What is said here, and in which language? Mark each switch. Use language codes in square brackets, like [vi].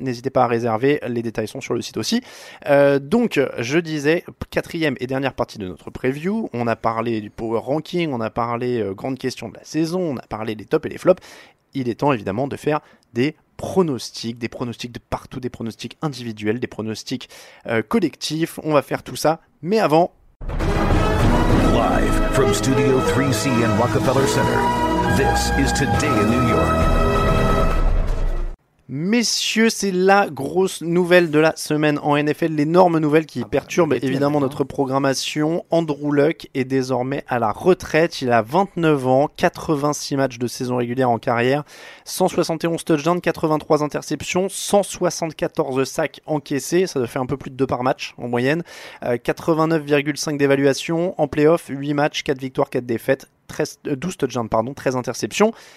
[fr] N'hésitez pas à réserver, les détails sont sur le site aussi. Donc, je disais, quatrième et dernière partie de notre preview, on a parlé du power ranking, on a parlé grandes questions de la saison, on a parlé des tops et des flops. Il est temps évidemment de faire des pronostics de partout, des pronostics individuels, des pronostics collectifs. On va faire tout ça, mais avant. [en] Live from Studio 3C and Rockefeller Center, this is Today in New York. [fr] Messieurs, c'est la grosse nouvelle de la semaine en NFL, l'énorme nouvelle qui perturbe évidemment notre programmation. Andrew Luck est désormais à la retraite. Il a 29 ans, 86 matchs de saison régulière en carrière, 171 touchdowns, 83 interceptions, 174 sacks encaissés, ça fait un peu plus de 2 par match en moyenne, 89,5 d'évaluation en playoff, 8 matchs, 4 victoires, 4 défaites, 12 touchdowns, 13 interceptions.